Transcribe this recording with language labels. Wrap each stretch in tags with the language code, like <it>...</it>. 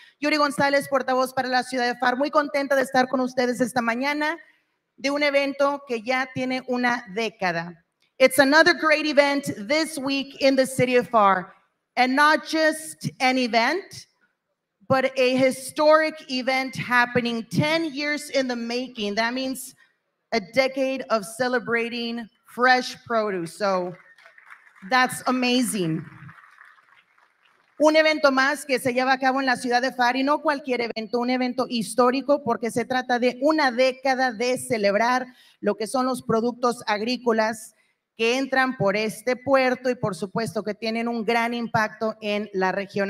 <es>Yuri Gonzalez, portavoz para la ciudad de FAR. Muy contenta de estar con ustedes esta mañana de un evento que ya tiene una década.</es> <en>It's another great event this week in the city of FAR. And not just an event, but a historic event happening 10 years in the making. That means a decade of celebrating fresh produce. So that's amazing.</en> <es>Un evento más que se lleva a cabo en la ciudad de FAR y no cualquier evento, un evento histórico porque se trata de una década de celebrar lo que son los productos agrícolas que entran por este puerto y por supuesto que tienen un gran impacto en la región.</es>